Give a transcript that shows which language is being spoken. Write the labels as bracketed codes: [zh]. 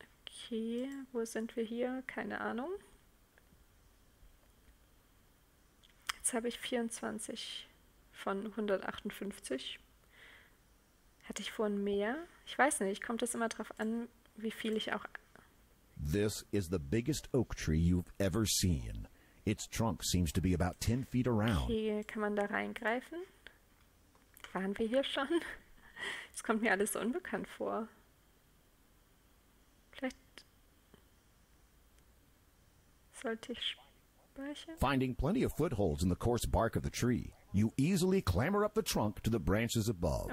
[de] Okay, wo sind wir hier? Keine Ahnung. Jetzt habe ich 24 von 158. Hatte ich vorhin mehr? Ich weiß nicht, kommt das immer darauf an, wie viel ich auch. [en] This is the biggest oak tree you've ever seen. Its trunk seems to be about 10 feet around. [de] Okay, kann man da reingreifen? Waren wir hier schon? Es kommt mir alles so unbekannt vor. Vielleicht sollte ich speichern. [en] Finding plenty of footholds in the coarse bark of the tree, you easily clamber up the trunk to the branches above.